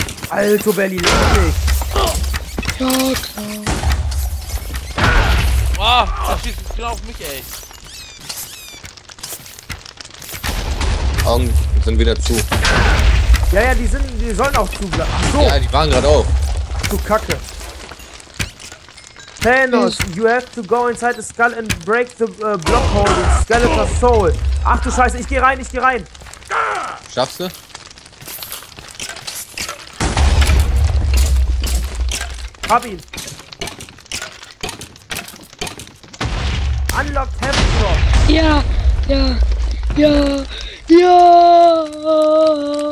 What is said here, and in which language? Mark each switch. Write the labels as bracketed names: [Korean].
[German] Alter, Berlin, lass mich! Ja, klar. Oh, das schießt genau auf mich, ey. Augen sind wieder zu. Ja, ja, die sind, die sollen auch zu bleiben. Ach so. Ja, die waren gerade auf. Du Kacke. [English] Thanos, you have to go inside the skull and break the block holding Skeletor's soul. [German] Ach du Scheiße, ich geh rein, ich geh rein. Schaffst du? Hab ihn. [English] Unlock Hammerdrop. [German] Ja, ja, ja, ja.